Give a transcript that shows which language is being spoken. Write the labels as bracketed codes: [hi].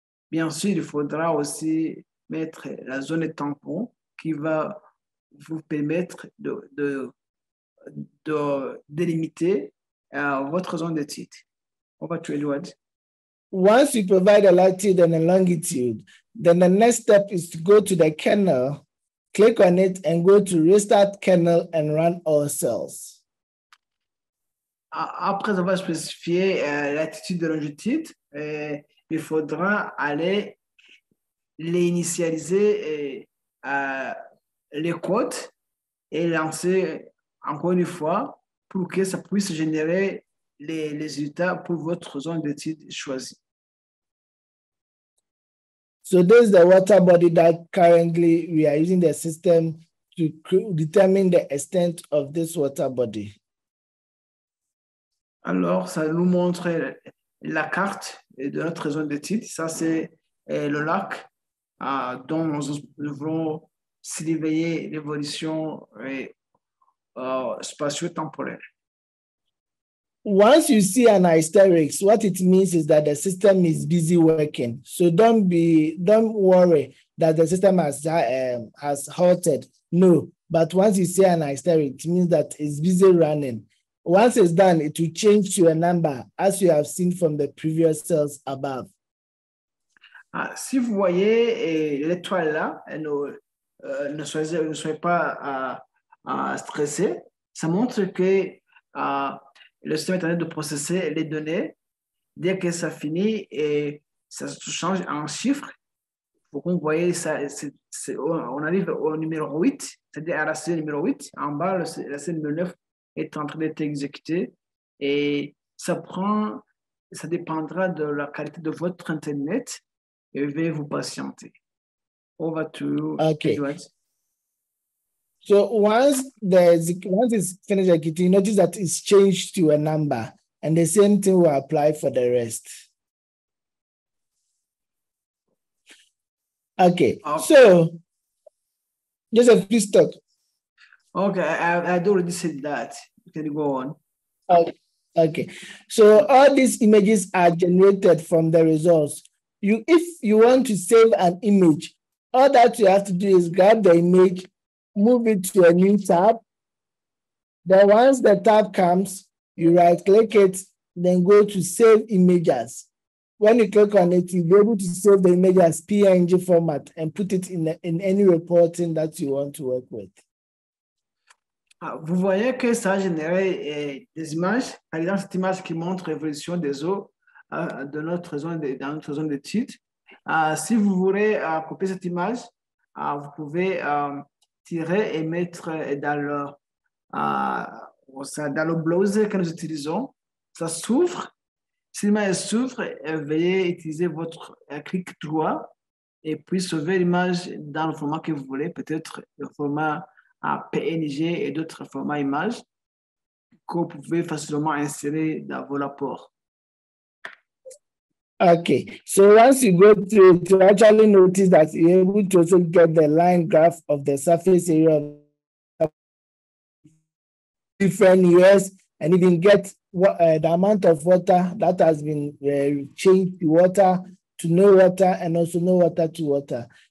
[fr] Bien sûr, il faudra aussi mettre la zone de tampon qui va vous permettre de délimiter votre zone d'étude. [en] Over to Edward. Once you provide a latitude and a longitude, then the next step is to go to the kernel, click on it, and go to restart kernel and run all cells. [fr] Après avoir spécifié latitude et longitude, il faudra aller réinitialiser les codes et lancer encore une fois pour que ça puisse générer les résultats pour votre zone d'étude choisie. [en] So this is the water body that currently we are using the system to determine the extent of this water body. [fr] Alors, ça nous montre la carte de notre zone d'étude. Ça, c'est le lac dont nous devrons surveiller l'évolution spatio-temporelle. [en] Once you see an hysterics, what it means is that the system is busy working. So don't worry that the system has halted. No, but once you see an hysterics, it means that it's busy running. Once it's done, it will change to a number, as you have seen from the previous cells above. [fr] Si vous voyez l'étoile là, ne soyez pas stressé. Ça montre que le système est en train de processer les données. Dès que ça finit, et ça se change en chiffres. Pour qu'on voie ça, on arrive au numéro 8, c'est-à-dire à la cellule numéro 8. En bas, la cellule numéro 9 est en train d'être exécutée. Et ça dépendra de la qualité de votre Internet. Et veuillez vous patienter. [en] Over to okay. Edward. So once it's finished executing, notice that it's changed to a number, and the same thing will apply for the rest. Okay. So just a few steps. Okay, I already said that. Can you go on? Okay. So all these images are generated from the results. If you want to save an image, all that you have to do is grab the image, move it to a new tab. Then once the tab comes, you right click it, then go to save images. When you click on it, you'll be able to save the image as PNG format and put it in any reporting that you want to work with. [fr] Vous voyez que ça génère des images. Par exemple, cette image qui montre l'évolution des eaux dans notre zone de titre. Si vous voulez copier cette image, vous pouvez tirer et mettre dans le browser que nous utilisons. Ça s'ouvre. Si l'image s'ouvre, veuillez utiliser votre clic droit et puis sauver l'image dans le format que vous voulez, peut-être le format PNG et d'autres formats images que vous pouvez facilement insérer dans vos rapports. [en] Okay, so once you go through to actually notice that you're able to also get the line graph of the surface area of different years and even get the amount of water that has been changed to water to no water and also no water to water.